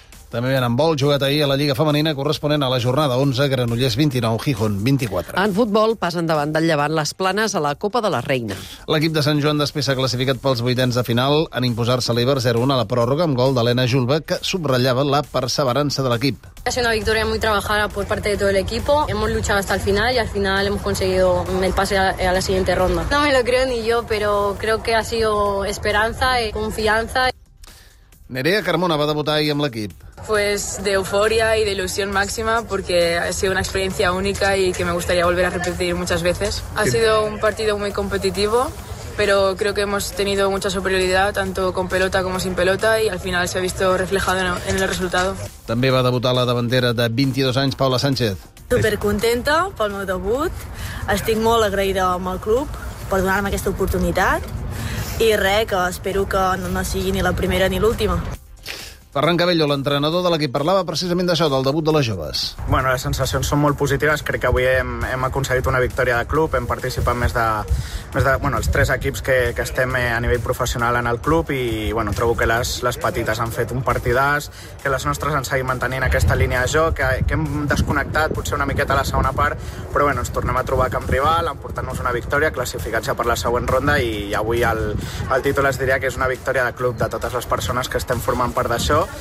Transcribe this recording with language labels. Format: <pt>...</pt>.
<ca>També en handbol, jugat ahir a la Lliga Femenina, corresponent a la jornada 11, Granollers 29, Gijón 24. En futbol, pas endavant del Llevant, les Planes a la Copa de la Reina. L'equip de Sant Joan després s'ha classificat pels vuitens de final en imposar-se l'Iber 0-1 a la pròrroga amb gol d'Helena Julba, que subratllava la perseverança de l'equip.</ca> <es>Ha sido una victoria muy trabajada por parte de todo el equipo. Hemos luchado hasta el final y al final hemos conseguido el pase a la siguiente ronda. No me lo creo ni yo, pero creo que ha sido esperanza y confianza.</es> <ca>Nerea Carmona va debutar ahir amb l'equip.</ca> <es>Pues de euforia y de ilusión máxima, porque ha sido una experiencia única y que me gustaría volver a repetir muchas veces. Ha sido un partido muy competitivo, pero creo que hemos tenido mucha superioridad, tanto con pelota como sin pelota, y al final se ha visto reflejado en el resultado.</es> <ca>També va debutar la davantera de 22 anys, Paula Sánchez. Supercontenta pel meu debut. Estic molt agraïda amb el club per donar-me aquesta oportunitat. I res, que espero que no sigui ni la primera ni l'última. Ferran Cabello, l'entrenador de l'equip, parlava precisament d'això, del debut de les joves. Bueno, les sensacions són molt positives. Crec que avui hem aconseguit una victòria de club. Hem participat més de bueno, els tres equips que estem a nivell professional en el club i bueno, trobo que les petites han fet un partidàs, que les nostres han seguit mantenint aquesta línia de joc, que hem desconnectat potser una miqueta a la segona part, però bueno, ens tornem a trobar a camp rival, emportant-nos una victòria, classificats ja per la següent ronda, i avui el títol es diria que és una victòria de club de totes les persones que estem formant part d'això.</ca>